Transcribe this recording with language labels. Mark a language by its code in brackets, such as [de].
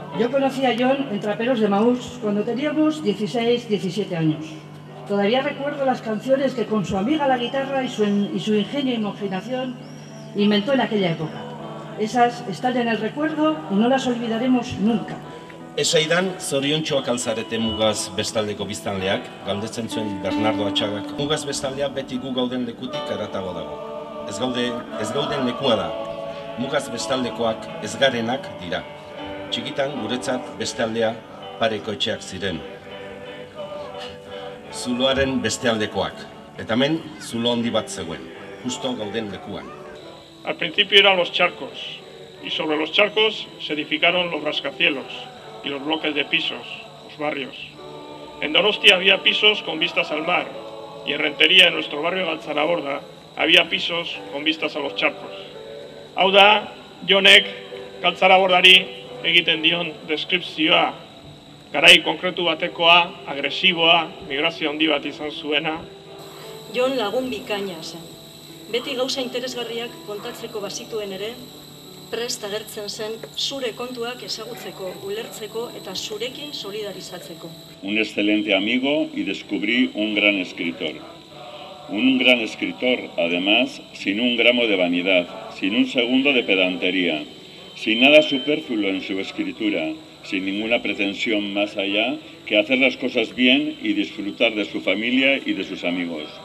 [es] conocí a John en Traperos de Maús cuando teníamos 16, 17 años. Todavía recuerdo las canciones que con su amiga la guitarra y su ingenio e imaginación inventó en aquella época. Esas están en el recuerdo y no las olvidaremos nunca. [eu] Esaidan, zoriontsuak alzarete mugaz bestaldeko biztanleak, galdetzen zuen Bernardo Atxagak. Mugaz bestaldea beti gu gauden lekutik eratago dago. Ez gauden lekua da. Mugaz bestaldekoak ez garenak dira. Txikitan guretzat bestaldea pareko etxeak ziren. Zuloaren bestealdekoak. Eta hemen zulo handi bat zegoen, justo gauden lekuan. [es] Al principio eran los charcos, y sobre los charcos se edificaron los rascacielos y los bloques de pisos, los barrios. En Donostia había pisos con vistas al mar, y en Rentería, en nuestro barrio de Alzaraborda, había pisos con vistas a los charcos. [eu] Hau da, Jonek, Alzaraborari, egiten dion deskriptzioa, garai konkretu batekoa, agresiboa, migrazio handi bat izan zuena. Jon lagun bikaina zen. Beti gauza interesgarriak kontatzeko bazituen ere, prest agertzen zen zure kontuak ezagutzeko, ulertzeko eta zurekin solidarizatzeko. [es] Un excelente amigo y descubrí un gran escritor. Un gran escritor, además, sin un gramo de vanidad, sin un segundo de pedantería, sin nada superfluo en su escritura, sin ninguna pretensión más allá que hacer las cosas bien y disfrutar de su familia y de sus amigos.